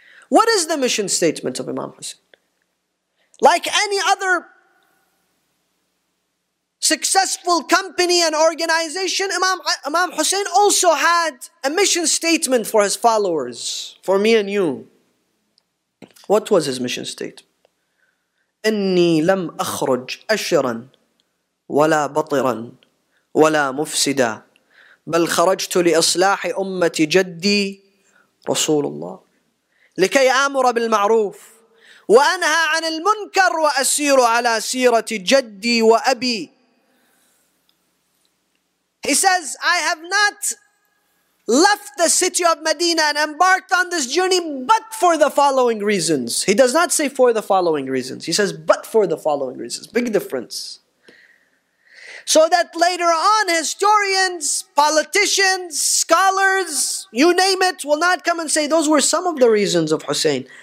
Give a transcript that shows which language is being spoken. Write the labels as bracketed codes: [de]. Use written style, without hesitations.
[en] What is the mission statement of Imam Husayn? Like any other successful company and organization, Imam Husayn also had a mission statement for his followers, for me and you. What was his mission statement? [ar] إِنِّي لَمْ أَخْرُجْ أَشِرًا وَلَا بَطِرًا وَلَا مُفْسِدًا بَلْ خَرَجْتُ لِإِصْلَاحِ أُمَّةِ جَدِّي رَسُولُ اللَّهِ لِكَيْ أَمُرَ بِالْمَعْرُوفِ وأنهى عن المنكر وأسير على سيرة جدي وأبي. [en] He says, I have not left the city of Medina and embarked on this journey but for the following reasons. He does not say for the following reasons. He says, but for the following reasons. Big difference. So that later on, historians, politicians, scholars, you name it, will not come and say those were some of the reasons of Husayn.